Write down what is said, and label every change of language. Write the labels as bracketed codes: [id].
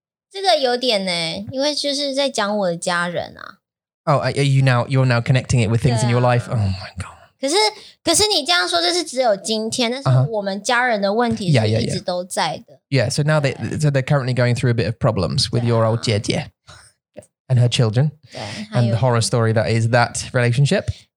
[zh] 这个有点呢,因为就是在讲我的家人啊。 [en] Oh, you're now connecting it with things in your life? Oh my God. [zh] 可是你这样说,这是只有今天,但是我们家人的问题是一直都在的。 [en] Yeah, so now they're currently going through a bit of problems with your old 姐姐。 And her children. [zh] 对, [en] and the horror story that is that relationship.